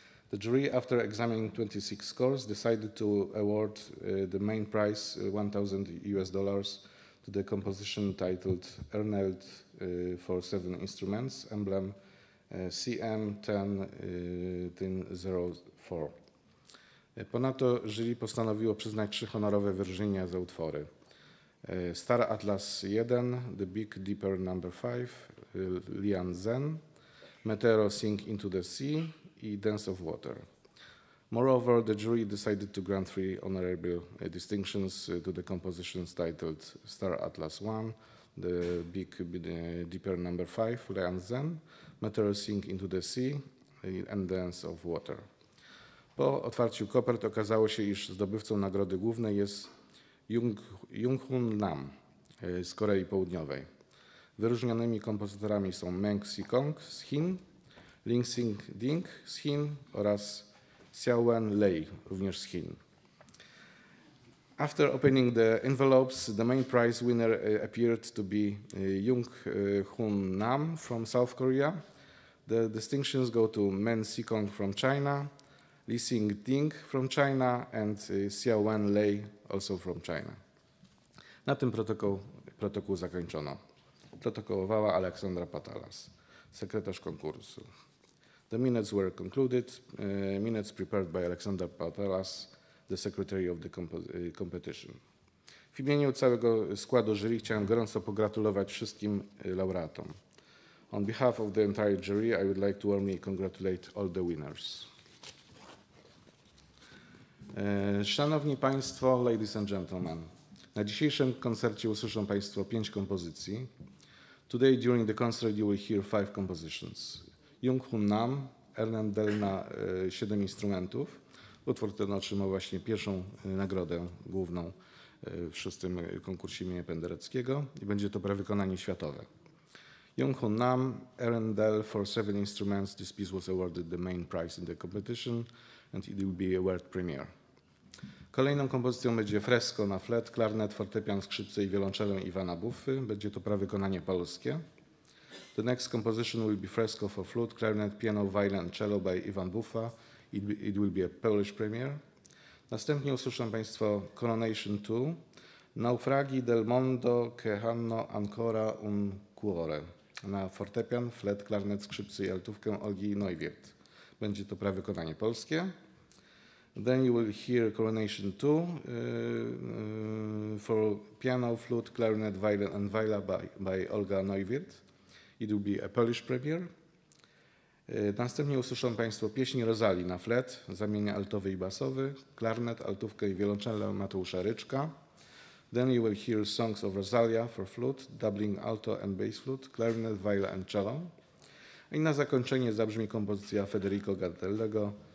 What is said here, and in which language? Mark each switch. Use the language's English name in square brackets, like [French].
[English] The jury, after examining 26 scores, decided to award the main prize, $1,000, to the composition titled Hernandel for Seven Instruments, emblem CM1004. [Polish] Ponadto jury postanowiło przyznać trzy honorowe wyróżnienia za utwory. Star Atlas 1, The Big Dipper No. 5, Lian Zen, Meteoro Sing Into the Sea i Dance of Water. [English] Moreover, the jury decided to grant three honorable distinctions to the compositions titled Star Atlas 1, The Big Dipper No. 5, Lian Zen, Meteoro Sing Into the Sea and Dance of Water. [Polish] Po otwarciu kopert okazało się, iż zdobywcą nagrody głównej jest Junghoon Nam z Korei Południowej. Wyróżnionymi kompozytorami są Meng Sikong z Chin, Ling Sing Ding z Chin oraz Xiaowen Lei, również z Chin. [English] After opening the envelopes, the main prize winner appeared to be Junghoon Nam from South Korea. The distinctions go to Meng Sikong from China, Li Sing Ding from China and Xiaowen Lei, also from China. [Polish] Na tym protokół zakończono. Protokołowała Aleksandra Patalas, sekretarz konkursu. [English] The minutes were concluded, minutes prepared by Aleksandra Patalas, the secretary of the competition. [Polish] W imieniu całego składu jury chciałem gorąco pogratulować wszystkim laureatom. [English] On behalf of the entire jury, I would like to warmly congratulate all the winners. [Polish] Szanowni Państwo, [English] ladies and gentlemen, [Polish] Na dzisiejszym koncercie usłyszą Państwo 5 kompozycji. [English] Today during the concert you will hear 5 compositions. [Polish] Jung Hoon Nam, Ernest Dell na 7 instrumentów. Utwór ten otrzymał właśnie pierwszą nagrodę główną w 6. konkursie imienia Pendereckiego i będzie to prawykonanie światowe. [English] Jung Hoon Nam, Ernest Dell for 7 instruments. This piece was awarded the main prize in the competition and it will be a world premiere. [Polish] Kolejną kompozycją będzie fresko na flet, klarnet, fortepian, skrzypce i wiolonczelę Iwana Buffy. Będzie to prawykonanie polskie. [English] The next composition will be fresco for flute, clarinet, piano, violin, cello by Iwan Buffa. It will be a Polish premiere. [Polish] Następnie usłyszą Państwo Coronation 2. [Italian] Naufragi del mondo che hanno ancora un cuore. [Polish] Na fortepian, flet, klarnet, skrzypce i altówkę Olgi Neuwirth. Będzie to prawykonanie polskie. [English] Then you will hear Coronation 2 for piano, flute, clarinet, violin and viola by Olga Neuwirth. It will be a Polish premiere. [Polish] Następnie usłyszą Państwo pieśń Rosalii na flet, zamienia altowy i basowy, klarnet, altówkę i wiolonczelę Mateusza Ryczka. [English] Then you will hear songs of Rosalia for flute, doubling alto and bass flute, clarinet, viola and cello. [Polish] I na zakończenie zabrzmi kompozycja Federico Gardellego.